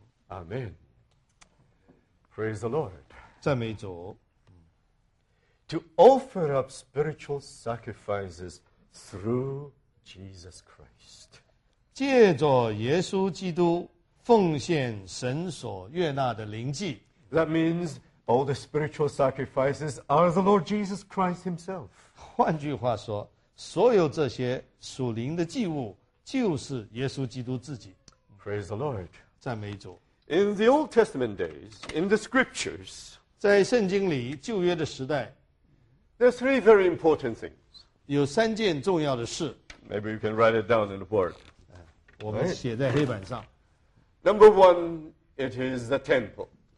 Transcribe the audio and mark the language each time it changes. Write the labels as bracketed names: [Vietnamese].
[English] Amen. Praise the Lord. [Chinese] 赞美主。 [English] To offer up spiritual sacrifices through Jesus Christ. [Chinese] 借着耶稣基督奉献神所悦纳的灵祭。 [English] That means all the spiritual sacrifices are the Lord Jesus Christ himself. [Chinese] 换句话说，所有这些属灵的祭物就是耶稣基督自己。 [English] Praise the Lord. [Chinese] 赞美主。 [English] In the Old Testament days, in the scriptures, [Chinese] 在圣经里，旧约的时代， [English] there are three very important things. [Chinese] 有三件重要的事。 [English] Maybe you can write it down in the board. [Chinese] 我们写在黑板上。 [English] Number one, it is the temple.